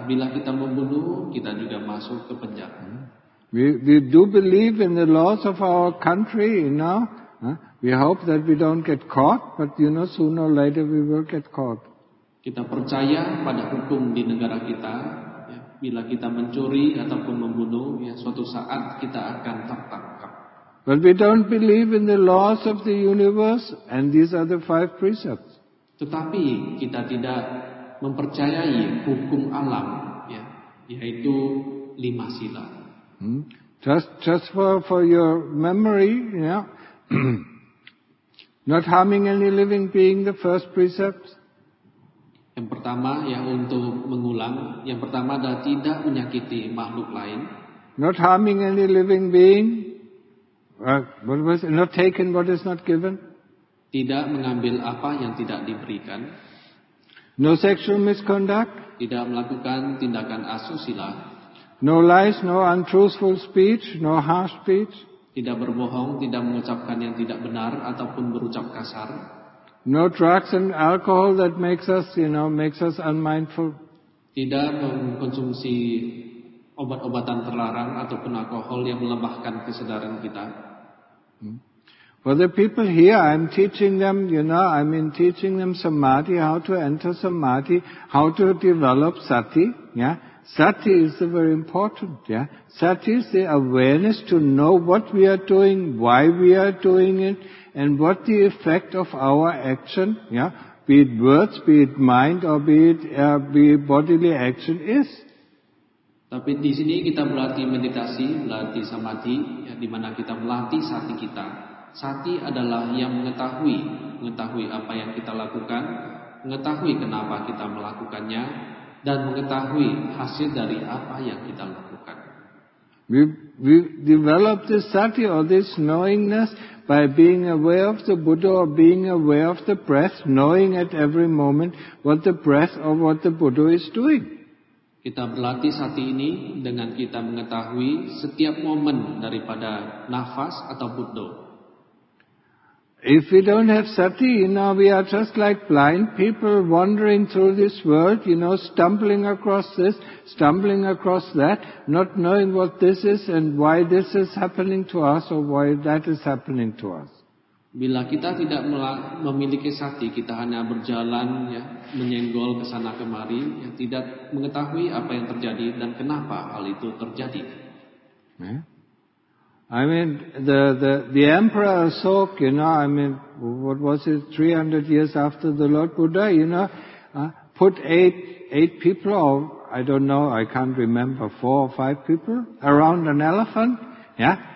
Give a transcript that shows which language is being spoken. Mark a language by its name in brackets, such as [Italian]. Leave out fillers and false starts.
[Indonesian] Bila kita membunuh, kita juga masuk ke penjara. [English] We do believe in the laws of our country, you know. We hope that we don't get caught, but you know, sooner or later we will get caught. [Indonesian] Kita percaya pada hukum di negara kita. Ya, bila kita mencuri ataupun membunuh, ya, suatu saat kita akan tertangkap. [English] But we don't believe in the laws of the universe, and these are the five precepts. [Indonesian] Tetapi kita tidak mempercayai hukum alam, ya, yaitu lima sila. [English] Just for your memory, yeah. Not harming any living being, the first precept. [Indonesian] Yang pertama, ya untuk mengulang, yang pertama adalah tidak menyakiti makhluk lain. [English] Not harming any living being. What was it? Not taken what is not given. [Indonesian] Tidak mengambil apa yang tidak diberikan. [English] No sexual misconduct. [Indonesian] Tidak melakukan tindakan asusila. [English] No lies, no untruthful speech, no harsh speech. [Indonesian] Tidak berbohong, tidak mengucapkan yang tidak benar ataupun berucap kasar. [English] No drugs and alcohol that makes us, you know, makes us unmindful. [Indonesian] Tidak mengkonsumsi obat-obatan terlarang ataupun alkohol yang melemahkan kesadaran kita. [English] Well, the people here, I'm teaching them, you know, I mean teaching them samadhi, how to enter samadhi, how to develop sati, yeah. Sati is the very important, yeah. Sati is the awareness to know what we are doing, why we are doing it, and what the effect of our action, yeah, be it words, be it mind, or be it bodily action is. [Indonesian] Tapi di sini kita melatih meditasi, melatih samadhi, ya, di mana kita melatih sati kita. Sati adalah yang mengetahui apa yang kita lakukan, mengetahui kenapa kita melakukannya, dan mengetahui hasil dari apa yang kita lakukan. [English] We develop this sati or this knowingness by being aware of the Buddha or being aware of the breath, knowing at every moment what the breath or what the Buddha is doing. [Indonesian] Kita berlatih sati ini dengan kita mengetahui setiap momen daripada nafas atau Buddha. [English] If we don't have sati, you know, we are just like blind people wandering through this world, you know, stumbling across this, stumbling across that, not knowing what this is and why this is happening to us or why that is happening to us. [Indonesian] Bila kita tidak memiliki sati, kita hanya berjalan, ya, menyenggol ke sana kemari, ya, tidak mengetahui apa yang terjadi dan kenapa hal itu terjadi. [English] Yeah. I mean, the Emperor Ashoka, you know, I mean, what was it, 300 years after the Lord Buddha, you know, put eight people, or I don't know, I can't remember, four or five people around an elephant, yeah.